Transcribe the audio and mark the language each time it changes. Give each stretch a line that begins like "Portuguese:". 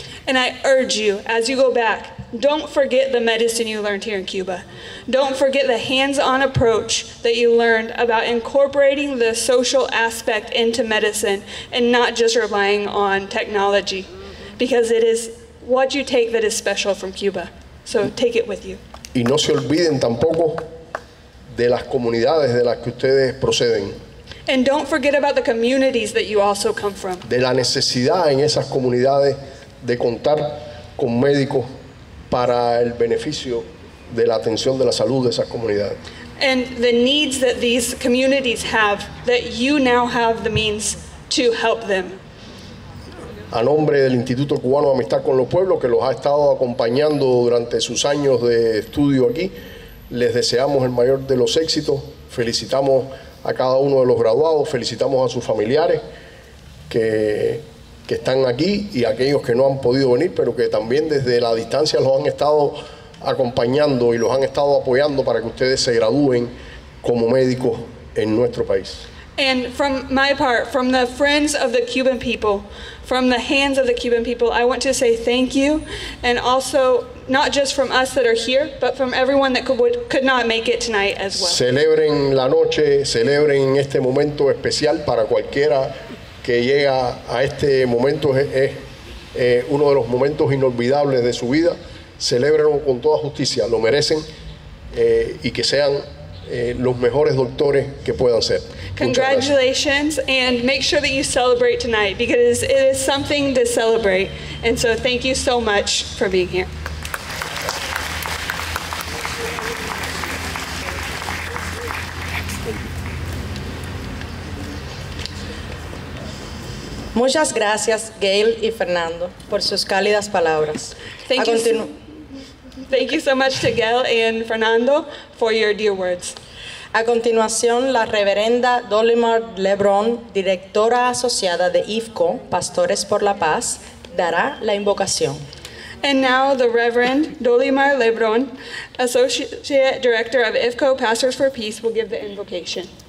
English: And I urge you, as you go back, don't forget the medicine you learned here in Cuba. Don't forget the hands-on approach that you learned about incorporating the social aspect into medicine and not just relying on technology, because it is what you take that is special from Cuba. So take it with you.
Spanish: Y no se olviden tampoco de las comunidades de las que ustedes proceden.
English: And don't forget about the communities that you also come from.
Spanish: De la necesidad en esas comunidades de contar con médicos para el beneficio de la atención de la salud de esas comunidades.
English: And the needs that these communities have, that you now have the means to help them.
Spanish: A nombre del Instituto Cubano de Amistad con los Pueblos, que los ha estado acompañando durante sus años de estudio aquí, les deseamos el mayor de los éxitos. Felicitamos a cada uno de los graduados, felicitamos a sus familiares que están aquí y aquellos que no han podido venir, pero que también desde la distancia los han estado acompañando y los han estado apoyando para que ustedes se gradúen como médicos en nuestro país.
English: And from my part, from the friends of the Cuban people, from the hands of the Cuban people, I want to say thank you, and also not just from us that are here, but from everyone that could not make it tonight as well.
Spanish: Celebren la noche, celebren este momento especial para cualquiera que llega a este momento, es uno de los momentos inolvidables de su vida. Celébrenlo con toda justicia, lo merecen, y que sean los mejores doctores que puedan ser.
English: Congratulations, and make sure that you celebrate tonight, because it is something to celebrate. And so thank you so much for being here.
Spanish: Muchas gracias, Gail y Fernando, por sus cálidas palabras.
English: Thank you so much to Gail and Fernando for your dear words.
Spanish: A continuación, la reverenda Dolimar Lebron, directora asociada de IFCO, Pastores por la Paz, dará la invocación.
English: And now the Reverend Dolimar Lebron, Associate Director of IFCO, Pastors for Peace, will give the invocation.